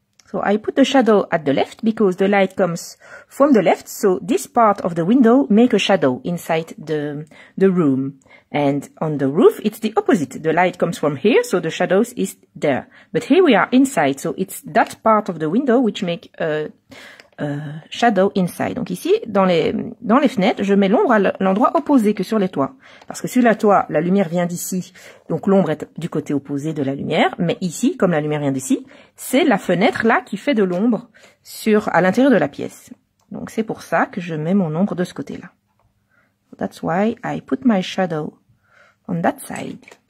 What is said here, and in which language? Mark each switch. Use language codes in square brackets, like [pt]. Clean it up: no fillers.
[en] So I put the shadow at the left because the light comes from the left. So this part of the window make a shadow inside the room. And on the roof, it's the opposite. The light comes from here, so the shadows is there. But here we are inside, so it's that part of the window which make a shadow inside. [fr] Donc ici, dans les fenêtres, je mets l'ombre à l'endroit opposé que sur les toits. Parce que sur la toit, la lumière vient d'ici, donc l'ombre est du côté opposé de la lumière. Mais ici, comme la lumière vient d'ici, c'est la fenêtre là qui fait de l'ombre sur à l'intérieur de la pièce. Donc c'est pour ça que je mets mon ombre de ce côté-là. [en] That's why I put my shadow on that side.